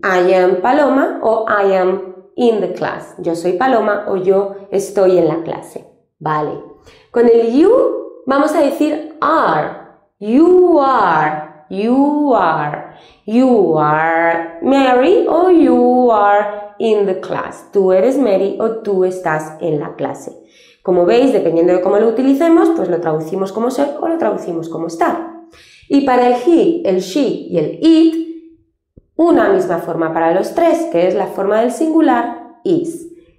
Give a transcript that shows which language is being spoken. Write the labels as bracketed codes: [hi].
[en] I am Paloma [es] o [en] I am in the class. [es] Yo soy Paloma o yo estoy en la clase. Vale. Con el you vamos a decir are. [en] You are. You are. You are Mary [es] o [en] you are in the class. [es] Tú eres Mary o tú estás en la clase. Como veis, dependiendo de cómo lo utilicemos, pues lo traducimos como ser o lo traducimos como estar. Y para el he, el she y el it, una misma forma para los tres, que es la forma del singular, is.